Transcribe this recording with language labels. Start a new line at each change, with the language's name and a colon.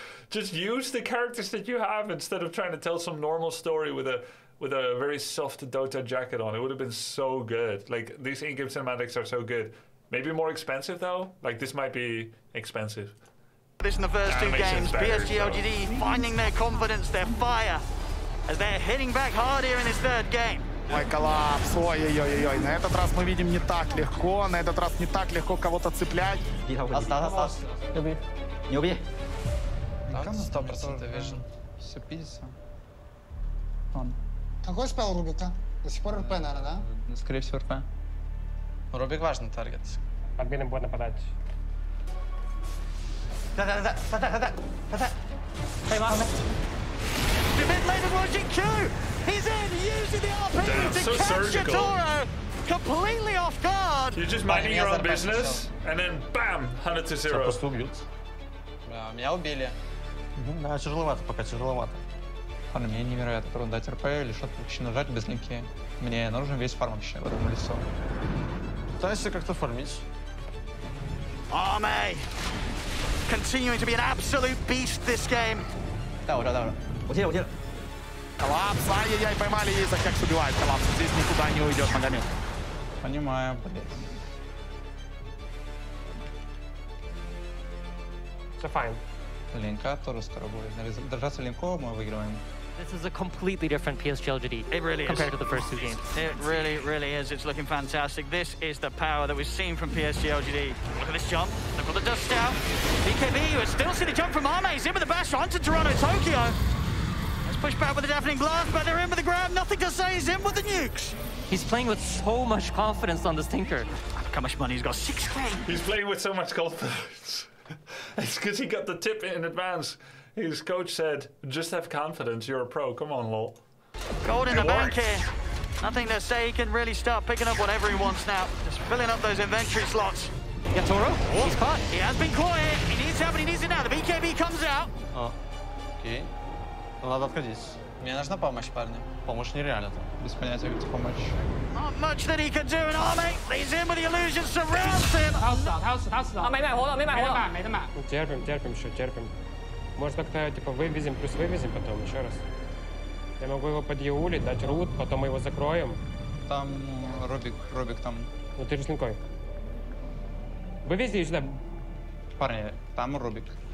English: Just use the characters that you have instead of trying to tell some normal story with a very soft Dota jacket on. It would have been so good. Like, these in-game cinematics are so good. Maybe more expensive, though. Like, this might be expensive. This in the first two games, PSG LGD finding their confidence, their fire, as they're hitting back hard here in this third game.
Russian: Ой, коллапс, ой-ой-ой-ой, на этот раз мы видим не так легко, на этот раз не так легко кого-то цеплять. Не убей. Какой спел Рубика? До сих пор РП, наверное, да? Скорее всего, РП. Рубик важный таргет. Админы будут нападать. Да-да-да-да-да-да-да-да-да!
English: pushing Q. He's in, using the RP to catch Jotaro. Completely off guard. You're just minding your own business, and then bam, 100 to 0.
Russian: Просто убьют. Меня убили. Да, тяжеловато, пока тяжеловато. Фарм, мне невероятно трудно дать РП, лишь отпущено жать без линки. Мне нужен весь фарм вообще в этом лесу. Пытайся как-то фармить. Армей!
English: Continuing to be an absolute beast this game.
Russian: Да, вот, да, вот. Вот здесь, вот здесь. Коллапс, ай-яй-яй, поймали и за как убивает коллапс. Здесь никуда не уйдет, Магомед. Понимаю, блядь. Все файн. Линка тоже скоро будет. Если держаться линку, мы выигрываем.
English: This is a completely different PSG LGD compared to the first two games. It really, really is. It's looking fantastic. This is the power that we've seen from PSG LGD. Look at this jump. They've got the dust out. BKB, you still see the jump from Arme. He's in with the bash onto Toronto, Tokyo. Let's push back with the deafening blast, but they're in with the grab. Nothing to say. He's in with the nukes. He's playing with so much confidence on this Tinker. Look how much money he's got. 6K. He's playing with so much confidence. It's because he got the tip in advance. His coach said, just have confidence, you're a pro. Come on, lol. Gold in the bank here. Nothing to say, he can really start picking up whatever he wants now. Just filling up those inventory slots. Yeah, Toro, he's caught. He has been caught here. He needs help, but he needs it now. The BKB comes out.
Russian: Okay. Надо отходить. Мне нужна помощь, парни. Помощь нереально там. Без понятия, где помощь.
English: Not much that he can do, and Arme, he's in with the illusion, surrounds him. House down. Arme, hold on.
Russian: Терпим. Может, как-то типа вывезем, плюс вывезем потом, еще раз. Я могу его под Яули дать рут, потом мы его закроем. Там Рубик там. Ну ты же с линкой. Вывези ее сюда. Парни, там Рубик.